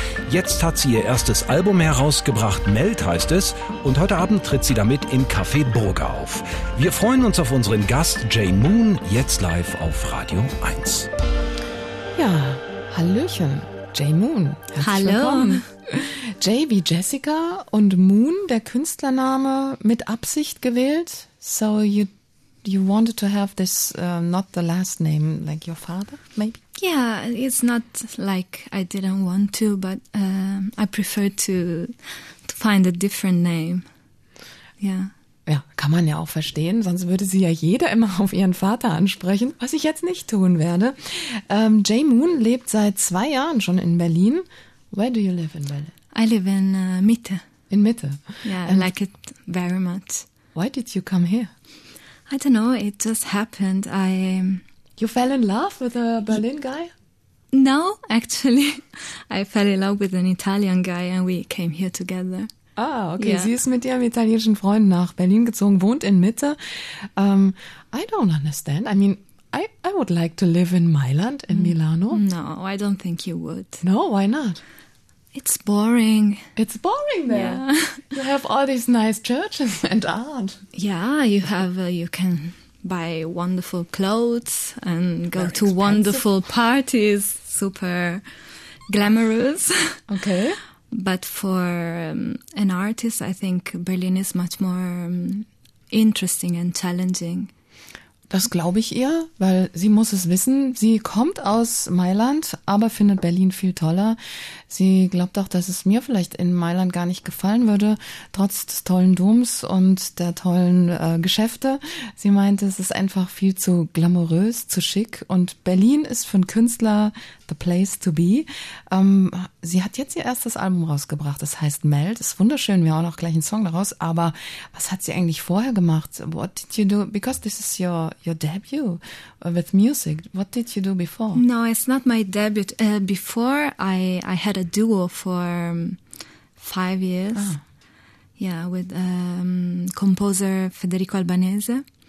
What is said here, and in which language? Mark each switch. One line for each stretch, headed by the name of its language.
German: Jetzt hat sie ihr erstes Album herausgebracht, Melt heißt es, und heute Abend tritt sie damit im Café Burger auf. Wir freuen uns auf unseren Gast Jane Moon, jetzt live auf Radio 1. Ja, hallöchen, Jane Moon. Hallo. Willkommen. Jay wie Jessica und Moon, der Künstlername, mit Absicht gewählt.
English: So you wanted to have this not the last name like your father, maybe? Yeah, it's not like I didn't want to, but I prefer to find a different name. Yeah.
German: Ja, kann man ja auch verstehen, sonst würde sie ja jeder immer auf ihren Vater ansprechen, was ich jetzt nicht tun werde. Jay Moon lebt seit 2 Jahren schon in Berlin.
English: Where do you live in Berlin? I live in Mitte. In Mitte? Yeah, I like it very much. Why did you come here? I don't know, it just happened. You fell in love with a Berlin guy? No, actually, I fell in love with an Italian guy and we came here together.
German: Ah, okay, yeah. Sie ist mit ihrem italienischen Freund nach Berlin gezogen, wohnt in Mitte.
English: I don't understand. I mean, I would like to live in Mailand, in Milano. No, I don't think you would. No, why not? It's boring. It's boring there. Yeah. You have all these nice churches and art. Yeah, you have. You can buy wonderful clothes and go very to expensive. Wonderful parties. Super glamorous. Okay. But for an artist, I think Berlin is much more interesting and challenging.
German: Das glaube ich ihr, weil sie muss es wissen. Sie kommt aus Mailand, aber findet Berlin viel toller. Sie glaubt auch, dass es mir vielleicht in Mailand gar nicht gefallen würde, trotz des tollen Doms und der tollen Geschäfte. Sie meint, es ist einfach viel zu glamourös, zu schick. Und Berlin ist für einen Künstler
English: the place to be.
German: Sie hat jetzt ihr erstes Album rausgebracht. Das heißt Melt. Ist wunderschön. Wir hauen auch gleich einen Song daraus. Aber was hat sie eigentlich vorher gemacht?
English: What did you do? Because this is your debut with music. What did you do before? No, it's not my debut. Before, I had a duo for 5 years. Ah. Yeah, with composer Federico Albanese.